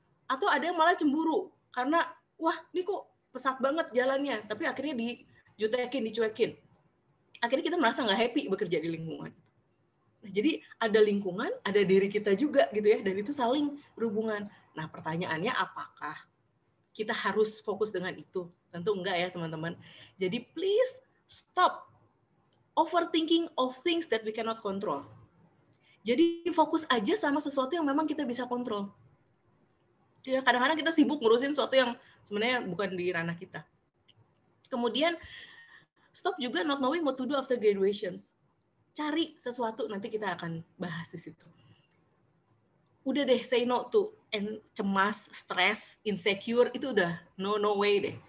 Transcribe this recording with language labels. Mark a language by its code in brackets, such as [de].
[id] Atau ada yang malah cemburu, karena, wah ini kok pesat banget jalannya. Tapi akhirnya dijutekin, dicuekin. Akhirnya kita merasa nggak happy bekerja di lingkungan. Nah, jadi ada lingkungan, ada diri kita juga gitu ya, dan itu saling berhubungan. Nah pertanyaannya apakah kita harus fokus dengan itu? Tentu enggak ya teman-teman. [en] Jadi please stop overthinking of things that we cannot control. [id] Jadi fokus aja sama sesuatu yang memang kita bisa kontrol. Ya, kadang-kadang kita sibuk ngurusin sesuatu yang sebenarnya bukan di ranah kita. [en] Kemudian stop juga not knowing what to do after graduations. [id] Cari sesuatu, nanti kita akan bahas di situ. Udah deh, say no to cemas, stress, insecure, itu udah no, no way deh.